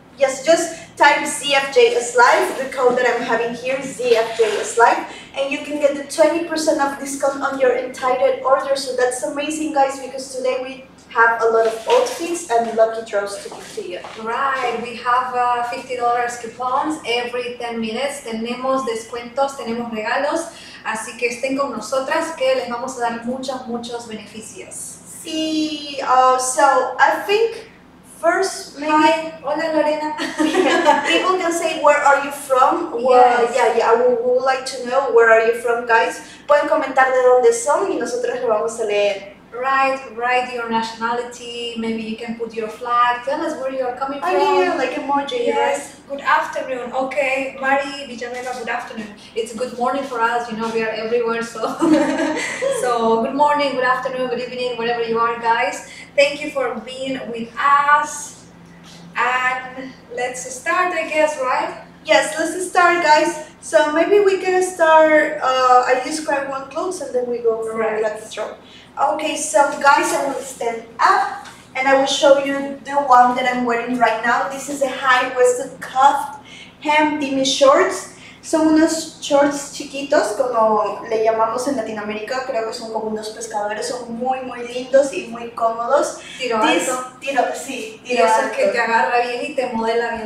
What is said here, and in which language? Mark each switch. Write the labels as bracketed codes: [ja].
[en] Yes, just type ZFJSLIVE, the code that I'm having here, ZFJSLIVE, and you can get the 20% off discount on your entire order. So that's amazing, guys, because today we have a lot of outfits and lucky draws to give to you. Right, we have $50 coupons every 10 minutes. [es] Tenemos descuentos, tenemos regalos, así que estén con nosotras que les vamos a dar muchos, muchos beneficios. [en] Sí, so I think first, maybe, hi, hola Lorena. People can say, where are you from? Well, yes. Yeah. We would like to know, where are you from, guys? [es] Pueden comentar de dónde son y nosotros lo vamos a leer. [en] Right, write your nationality. Maybe you can put your flag. Tell us where you are coming from. I mean, like emoji. Yes. Good afternoon. Okay, Mari Villanueva, good afternoon. It's good morning for us. You know, we are everywhere. So, so good morning, good afternoon, good evening, wherever you are, guys. Thank you for being with us. And let's start, I guess, right? Yes, let's start, guys. So maybe we can start, I describe one clothes and then we go over right. Lucky draw. Okay, so guys, I will stand up and I will show you the one that I'm wearing right now. This is a high-waisted cuffed hem demi shorts. [es] Son unos shorts chiquitos, como le llamamos en Latinoamérica. Creo que son como unos pescadores. Son muy, muy lindos y muy cómodos. Tiro alto. Tiro alto. Es el que te agarra bien y te modela bien.